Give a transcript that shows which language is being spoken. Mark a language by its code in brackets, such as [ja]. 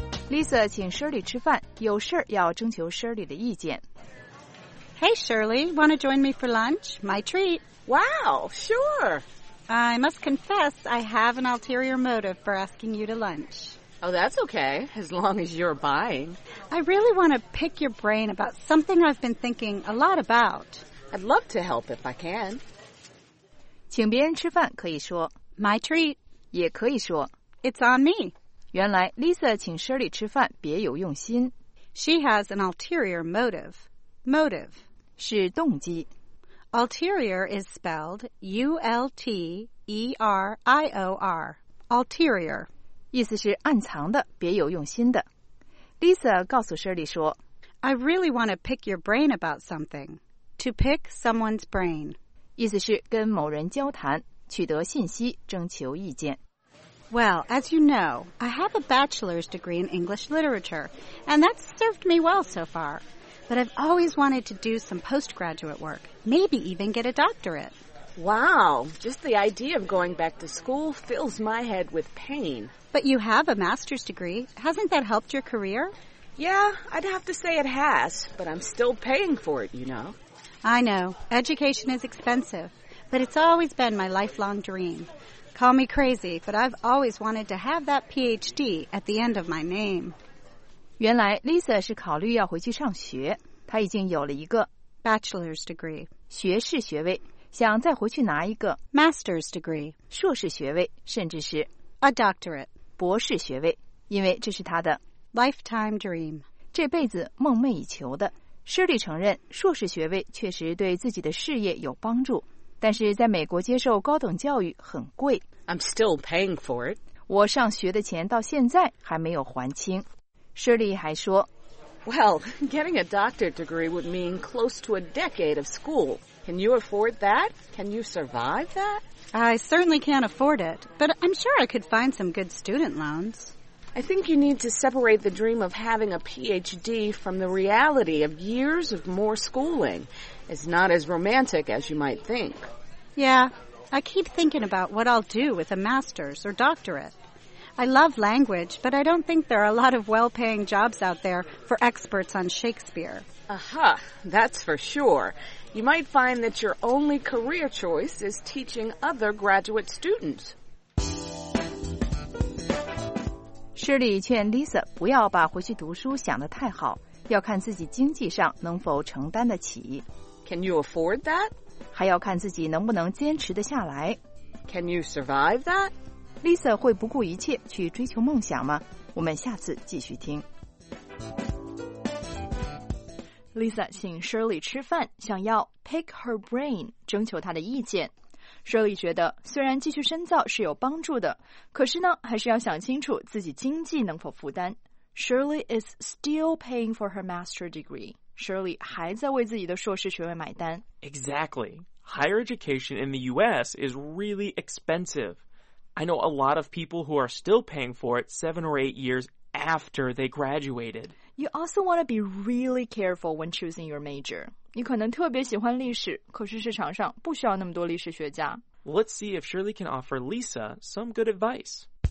[zh] Lisa 请 Shirley 吃饭，有事要征求 Shirley 的意见。 [en] Hey Shirley, want to join me for lunch? My treat. Wow, sure. I must confess I have an ulterior motive for asking you to lunch. Oh, that's okay, as long as you're buying. I really want to pick your brain about something I've been thinking a lot about. I'd love to help if I can. [zh] 请别人吃饭可以说 [en] My treat. [zh] 也可以说 [en] It's on me. [zh] 原来 Lisa 请 Shirley 吃饭别有用心。 [en] She has an ulterior motive. Motive [zh] 是动机。 [en] Ulterior is spelled U-L-T-E-R-I-O-R. Ulterior [zh] 意思是暗藏的，别有用心的。 Lisa 告诉 Shirley 说 [en] I really want to pick your brain about something. To pick someone's brain [zh] 意思是跟某人交谈，取得信息，征求意见。 [en] Well, as you know, I have a bachelor's degree in English literature, and that's served me well so far. But I've always wanted to do some postgraduate work, maybe even get a doctorate. Wow, just the idea of going back to school fills my head with pain. But you have a master's degree. Hasn't that helped your career? Yeah, I'd have to say it has, but I'm still paying for it, you know. I know, education is expensive, but it's always been my lifelong dream. Call me crazy, but I've always wanted to have that PhD at the end of my name. [zh] 原来 Lisa 是考虑要回去上学，她已经有了一个 [en] bachelor's degree [zh] 学士学位，想再回去拿一个 [en] master's degree [zh] 硕士学位，甚至是 [en] a doctorate [zh] 博士学位，因为这是她的 [en] lifetime dream [zh] 这辈子梦寐以求的。 Shirley 承认，硕士学位确实对自己的事业有帮助。但是在美国接受高等教育很贵。 [en] I'm still paying for it. [zh] 我上学的钱到现在还没有还清。 Shirley 还说 [en] Well, getting a doctorate degree would mean close to a decade of school. Can you afford that? Can you survive that? I certainly can't afford it, but I'm sure I could find some good student loans. I think you need to separate the dream of having a PhD from the reality of years of more schooling. It's not as romantic as you might think. Yeah, I keep thinking about what I'll do with a master's or doctorate. I love language, but I don't think there are a lot of well-paying jobs out there for experts on Shakespeare. Aha, that's for sure. You might find that your only career choice is teaching other graduate students. [zh] Shirley 劝 Lisa 不要把回去读书想得太好，要看自己经济上能否承担得起。 [en] Can you afford that? [zh] 还要看自己能不能坚持得下来。 [en] Can you survive that? [zh] Lisa 会不顾一切去追求梦想吗？我们下次继续听。 Lisa 请 Shirley 吃饭，想要 [en] pick her brain， [zh] 征求她的意见。 Shirley 觉得虽然继续深造是有帮助的，可是呢，还是要想清楚自己经济能否负担。 [en] Shirley is still paying for her master degree. [zh] Shirley 还在为自己的硕士学位买单。 [en] Exactly. Higher education in the U.S. is really expensive. I know a lot of people who are still paying for it 7 or 8 years after they graduated. You also want to be really careful when choosing your major. [zh] 你可能特别喜欢历史，可是市场上不需要那么多历史学家。 [en] Let's see if Shirley can offer Lisa some good advice.